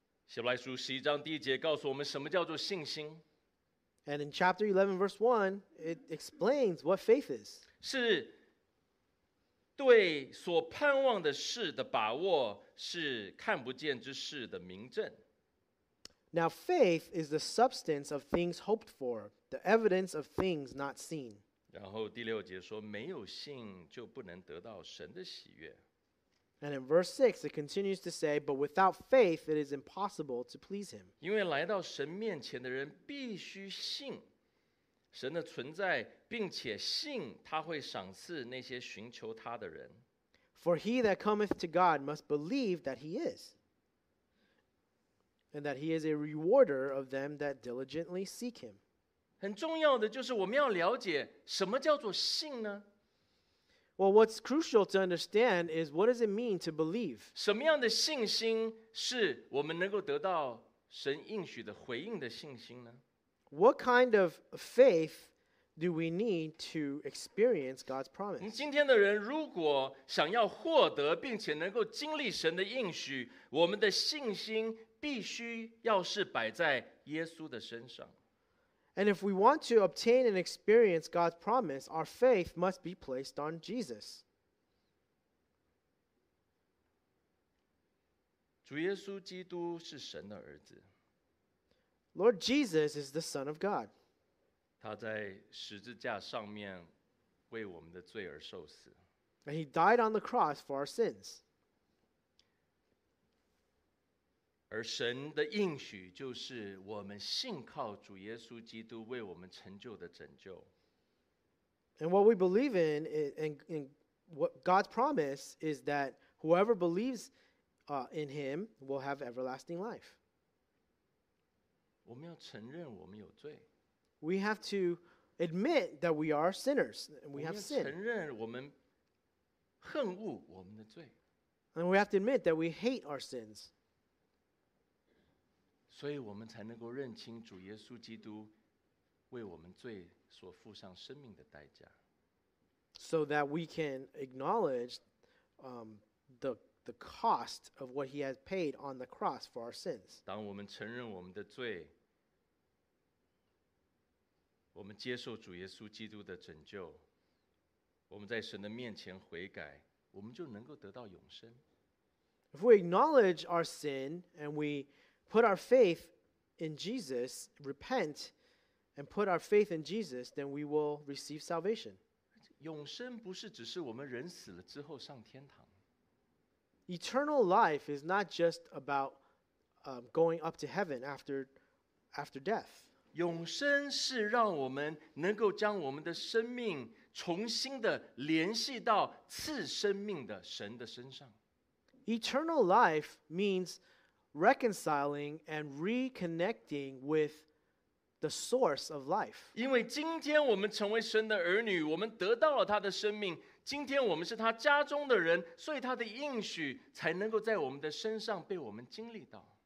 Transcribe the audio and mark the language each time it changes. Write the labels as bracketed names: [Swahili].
[Chinese] 希伯来书十一章第一节告诉我们什么叫做信心。 [English] And in chapter 11, verse 1, it explains what faith is. [Chinese] 是对所盼望的事的把握，是看不见之事的明证。 [English] Now faith is the substance of things hoped for, the evidence of things not seen. [Chinese] 然后第六节说，没有信就不能得到神的喜悦。 [English] And in verse 6, it continues to say, But without faith, it is impossible to please him. [Chinese] 因为来到神面前的人必须信神的存在，并且信他会赏赐那些寻求他的人。 [English] For he that cometh to God must believe that he is, and that he is a rewarder of them that diligently seek him. [Chinese] 很重要的就是我们要了解什么叫做信呢？ [English] Well, what's crucial to understand is what does it mean to believe? [Chinese] 什么样的信心是我们能够得到神应许的回应的信心呢？ [English] What kind of faith do we need to experience God's promise? [Chinese] 今天的人如果想要获得并且能够经历神的应许，我们的信心必须要是摆在耶稣的身上。 [English] And if we want to obtain and experience God's promise, our faith must be placed on Jesus. [Chinese] 主耶稣基督是神的儿子。 [English] Lord Jesus is the Son of God. [Chinese] 他在十字架上面为我们的罪而受死。 [English] And he died on the cross for our sins. [Chinese] 而神的应许就是我们信靠主耶稣基督为我们成就的拯救。 [English] And what we believe in, and what God's promise is that whoever believes in him will have everlasting life. [Chinese] 我们要承认我们有罪。 [English] We have to admit that we are sinners. We have sin. [Chinese] 我们要承认我们恨恶我们的罪。 [English] And we have to admit that we hate our sins. [Chinese] 所以我们才能够认清主耶稣基督为我们罪所付上生命的代价。 [English] So that we can acknowledge the cost of what he has paid on the cross for our sins. [Chinese] 当我们承认我们的罪，我们接受主耶稣基督的拯救，我们在神的面前悔改，我们就能够得到永生。 [English] If we acknowledge our sin and we put our faith in Jesus, repent and put our faith in Jesus, then we will receive salvation. [Chinese] 永生不是只是我们人死了之后上天堂。 [English] Eternal life is not just about going up to heaven after death. [Chinese] 永生是让我们能够将我们的生命重新的联系到赐生命的神的身上。 [English] Eternal life means reconciling and reconnecting with the source of life. [Chinese] 因为今天我们成为神的儿女，我们得到了他的生命，今天我们是他家中的人，所以他的应许才能够在我们的身上被我们经历到。